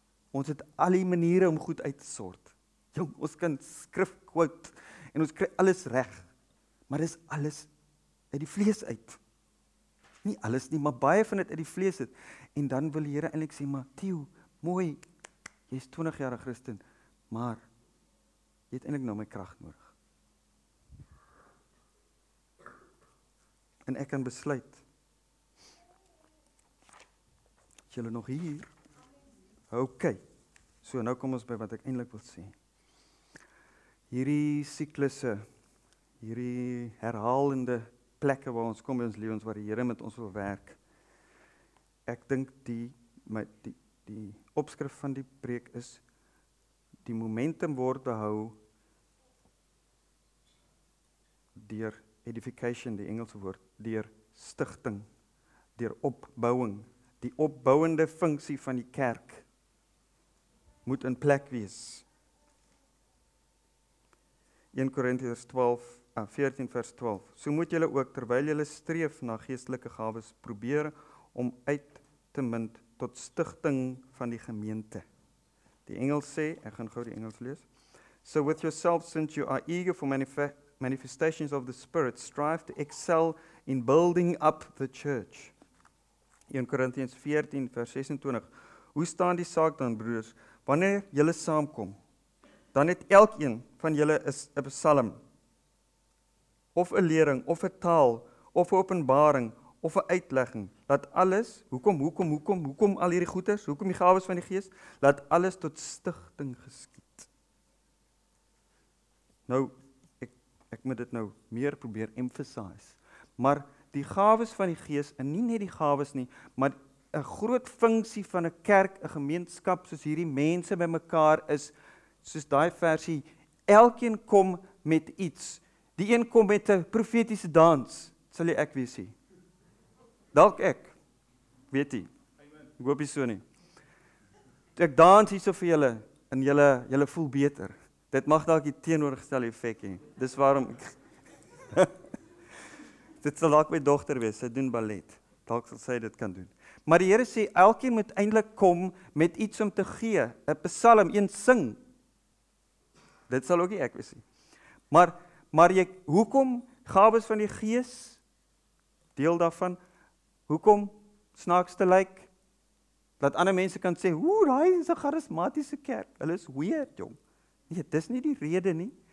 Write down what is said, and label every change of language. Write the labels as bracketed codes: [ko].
[af] Ons het al die maniere om goed uit te sort. Jong, ons kan skrif quote en ons kry alles reg. Maar dis alles uit die vlees uit. Nie alles nie, maar baie van dit uit die vlees uit. En dan wil die Here eintlik sê, Matthew, mooi, jy's 20 jaar 'n Christen, maar jy het eintlik nou my krag nodig. En ek kan besluit, is julle nog hier? Ok, so nou kom ons by wat ek eintlik wil sê. Hierdie siklusse, hierdie herhalende plekke waar ons kom in ons lewens, waar die Here met ons wil werk, ek dink die opskrif van die preek is die momentum word behou deur edification, die Engelse woord, deur stigting, deur opbouing. Die opbouende funksie van die kerk moet in plek wees. 1 Korintiërs 14 vers 12. So moet julle ook terwyl julle streef na geestelike gawes probeer om uit te mind tot stichting van die gemeente. Die Engels sê, ek gaan gou die Engels lees. [en] So with yourself, since you are eager for manifestations of the Spirit, strive to excel in building up the church. [af] 1 Korintiërs 14 vers 26. Hoe staan die saak dan, broers? Wanneer julle saamkom, dan het elkeen van julle 'n psalm, of 'n lering, of 'n taal, of 'n openbaring, of 'n uitlegging, dat alles, hoekom al hierdie goeders, hoekom die gawes van die gees, dat alles tot stichting geskied. Nou, ek moet dit nou meer probeer emphasize, maar die gawes van die gees, en nie net die gawes nie, maar 'n groot funksie van 'n kerk, 'n gemeenskap, soos hierdie mense by mekaar is, soos daai versie, elkeen kom met iets, die een kom met 'n profetiese dans, sal jy ek wees hier. Dalk ek, weet jy, ek hoop jy so nie. Ek dans hier so vir julle, en julle voel beter. Dit mag dalk die teenoorgestelde effek hê. Dis waarom ek, dit sal dalk my dogter wees, sy doen ballet. Dalk sal sy dit kan doen. Maar die Here sê, elkeen moet eindelijk kom met iets om te gee, 'n psalm, een sing. Dit sal ook nie ek wees nie. Maar jy, hoekom gawes van die gees, deel daarvan, hoekom snaaks te lyk? Dat ander mense kan sê, "Ooh, daai is 'n charismatiese kerk. Hulle is weird, jong." Nee, dis nie die rede nie.